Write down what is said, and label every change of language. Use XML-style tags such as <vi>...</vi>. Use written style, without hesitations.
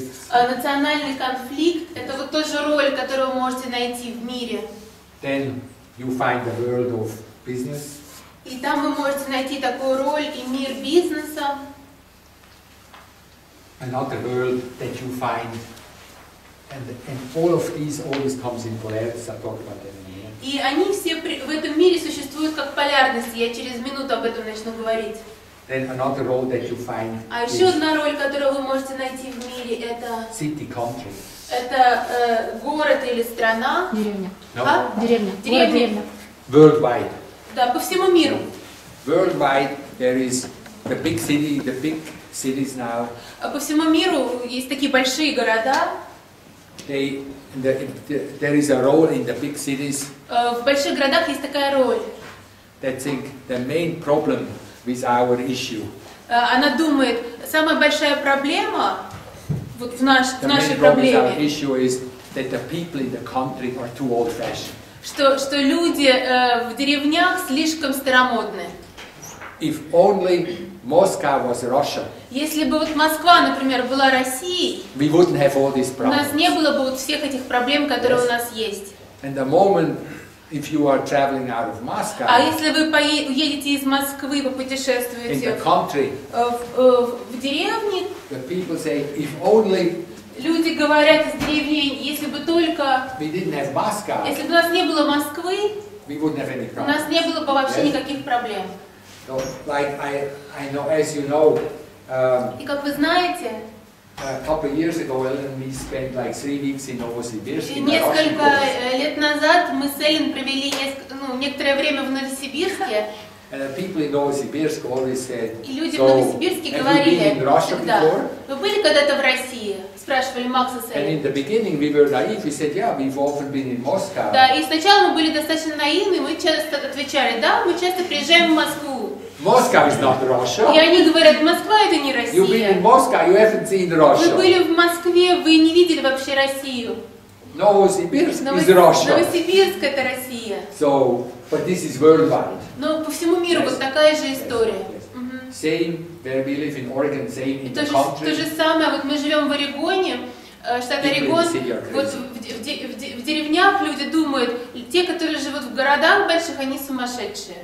<ru>Национальный конфликт. Это вот тоже роль, которую вы можете найти в мире.</ru> <en>Then you find the world of business.</en> <ru>И там вы можете найти такую роль и мир бизнеса.</ru> <en>Another world that you find And all of these always comes in polarities. I'll talk about them in a minute.</en> <ru>И они все в этом мире существуют как полярности. Я через минуту об этом начну говорить.</ru> <en>Then another role that you find.</en> <ru>А еще одна роль, которую вы можете найти в мире, это.</ru> <en>City, country.</en> <ru>Это город или страна. Деревня.</ru> <en>No.</en> <ru>Деревня.</ru> <en>Worldwide.</en> <ru>Да, по всему миру.</ru> <en>Worldwide, there is the big city, the big cities now.</en> <ru>А по всему миру есть такие большие города.</ru> <en>There is a role in the big cities.</en> <ru>В больших городах есть такая роль.</ru> <en>They think the main problem with our issue.</en> <ru>Она думает, самая большая проблема вот в нашей проблеме.</ru> <en>The main problem is our issue is that the people in the country are too old-fashioned.</en> <ru>Что люди в деревнях слишком старомодны.</ru> <en>If only Moscow was Russia.</en> <ru>Если бы вот Москва, например, была Россией.</ru> <en>We wouldn't have all these problems.</en> <ru>У нас не было бы вот всех этих проблем, которые</ru> <en>yes.</en> <ru>у нас есть.</ru> <en>And the moment if you are traveling out of Moscow.</en> <ru>А если вы уедете из Москвы, вы путешествуете.</ru> <en>In the country.</en> <ru>В деревне.</ru> <en>The people say, if only.</en> <ru>Люди говорят из деревни, если бы только.</ru> <en>We didn't have Moscow.</en> <ru>Если бы у нас не было Москвы.</ru> <en>We wouldn't have any problems.</en> <ru>У нас не было бы вообще</ru> <en>yes.</en> <ru>никаких проблем.</ru> <en>So, like I know, as you know.</en> <ru>И как вы знаете.</ru> <en>A couple of years ago, Ellen and me spent like 3 weeks in Novosibirsk.</en> <ru>Несколько лет назад мы с Эллен провели некоторое время в Новосибирске.</ru> <en>And people in Novosibirsk always said.</en> <ru>И люди в Новосибирске говорили.</ru> <en>Have you been in Russia before?</en> <ru>Вы были когда-то в России? Спрашивали Макса с Эллен.</ru> <en>And in the beginning we were naive. We said, yeah, we've often been in Moscow.</en> <ru>Да, и сначала мы были достаточно наивны. Мы часто отвечали, да, мы часто приезжаем в Москву.</ru> <en>Moscow is not Russia.</en> <ru>И они говорят, Москва это не Россия.</ru> <en>You've been in Moscow, you haven't seen Russia.</en> <ru>Вы были в Москве, вы не видели вообще Россию.</ru> <en>Новосибирск is Russia.</en> <ru>Новосибирск это Россия.</ru> <en>So, but this is worldwide.</en> <ru>Но по всему миру</ru> <en>yes.</en> <ru>вот такая же история.</ru> <en>Yes. Yes. Mm-hmm. Same, where we live in Oregon, same in the country.</en> <ru>То же самое, вот мы живем в Орегоне, штат Орегон. Вот в деревнях люди думают, те, которые живут в городах больших, они сумасшедшие.</ru>